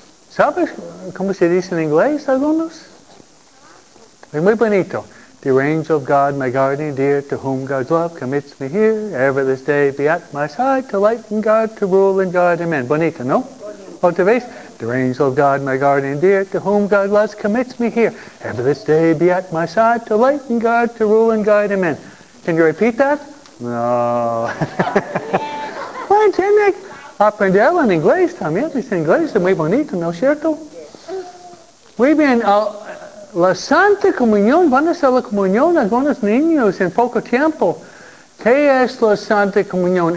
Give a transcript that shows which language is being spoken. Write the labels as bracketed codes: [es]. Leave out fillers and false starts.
[es] ¿Sabes cómo se dice en inglés algunos? Es muy bonito. [en] Dear angel of God, my guardian dear, to whom God's love commits me here, ever this day be at my side, to light and guard, to rule and guard, amen. [es] Bonito, no? Otra vez. [en] Dear angel of God, my guardian dear, to whom God loves commits me here, ever this day be at my side, to light and guard, to rule and guide, amen. Can you repeat that? No. [es] Bueno, tiene que aprenderlo en inglés también. Es inglés, es muy bonito, ¿no es cierto? Muy bien. La Santa Comunión, van a hacer la comunión algunos niños en poco tiempo. ¿Qué es la Santa Comunión?